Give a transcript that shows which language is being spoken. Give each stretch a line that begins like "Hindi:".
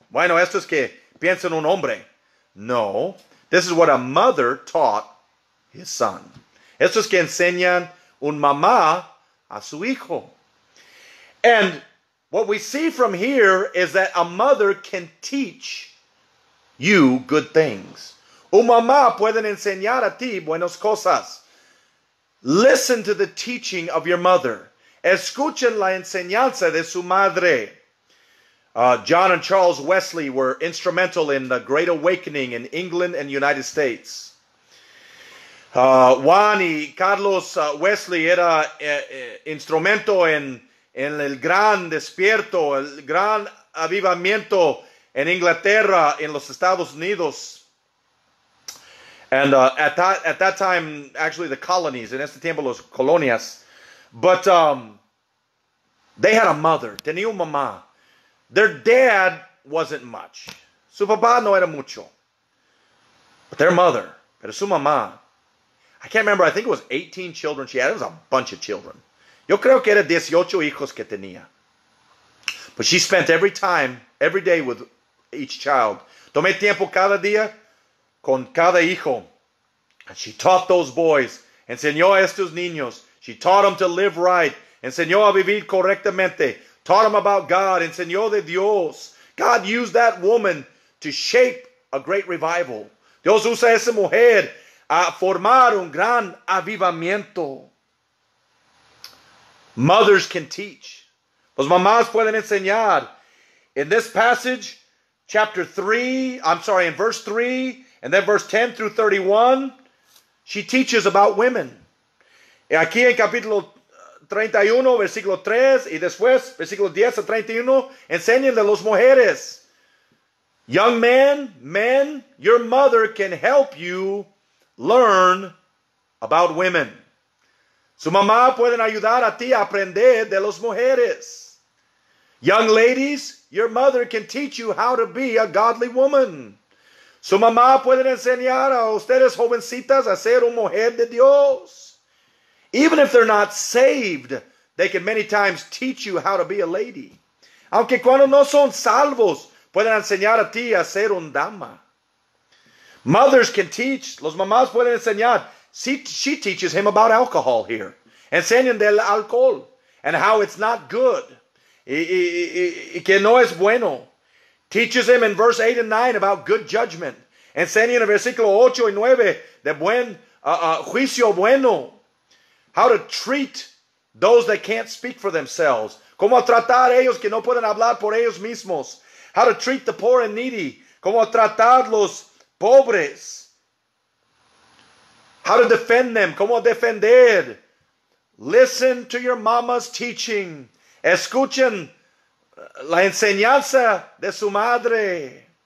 Spanish: Bueno, esto es que piensa en un hombre.
English: No, this is what a mother taught his son.
Spanish: Esto es que enseñan un mamá a su hijo.
English: And what we see from here is that a mother can teach you good things.
Spanish: Un mamá puede enseñar a ti buenas cosas.
English: Listen to the teaching of your mother.
Spanish: Escuchen la enseñanza de su madre.
English: John and Charles Wesley were instrumental in the Great Awakening in England and United States.
Spanish: Juan y Carlos Wesley era instrumento en el gran despierto, el gran avivamiento en Inglaterra, en los Estados Unidos.
English: And at that time, actually the colonies,
Spanish: en este tiempo los colonias.
English: But they had a mother,
Spanish: tenía una mamá.
English: Their dad wasn't much.
Spanish: Su papá no era mucho.
English: But their mother,
Spanish: pero su mamá.
English: I can't remember, I think it was 18 children she had. It was a bunch of children.
Spanish: Yo creo que era 18 hijos que tenía.
English: But she spent every time, every day with each child.
Spanish: Tomé tiempo cada día con cada hijo.
English: And she taught those boys.
Spanish: Enseñó a estos niños.
English: She taught them to live right.
Spanish: Enseñó a vivir correctamente.
English: Taught them about God.
Spanish: Enseñó de Dios.
English: God used that woman to shape a great revival.
Spanish: Dios usa esa mujer a formar un gran avivamiento.
English: Mothers can teach.
Spanish: Los mamás pueden enseñar.
English: In this passage, in verse 3, and then verse 10 through 31, she teaches about women.
Spanish: Y aquí en capítulo 31, versículo 3, y después, versículo 10 a 31, enseñan de las mujeres.
English: Young men, your mother can help you learn about women.
Spanish: Su mamá pueden ayudar a ti a aprender de las mujeres.
English: Young ladies, your mother can teach you how to be a godly woman.
Spanish: Su mamá pueden enseñar a ustedes jovencitas a ser una mujer de Dios.
English: Even if they're not saved, they can many times teach you how to be a lady.
Spanish: Aunque cuando no son salvos, pueden enseñar a ti a ser una dama.
English: Mothers can teach.
Spanish: Los mamás pueden enseñar.
English: She teaches him about alcohol here.
Spanish: Enseñan del alcohol.
English: And how it's not good.
Spanish: Y que no es bueno.
English: Teaches him in verse 8 and 9 about good judgment.
Spanish: Enseñan en versículo 8 y 9 de buen juicio bueno.
English: How to treat those that can't speak for themselves.
Spanish: Cómo tratar ellos que no pueden hablar por ellos mismos.
English: How to treat the poor and needy.
Spanish: Cómo tratarlos pobres.
English: How to defend them.
Spanish: Cómo defender.
English: Listen to your mama's teaching.
Spanish: Escuchen la enseñanza de su madre.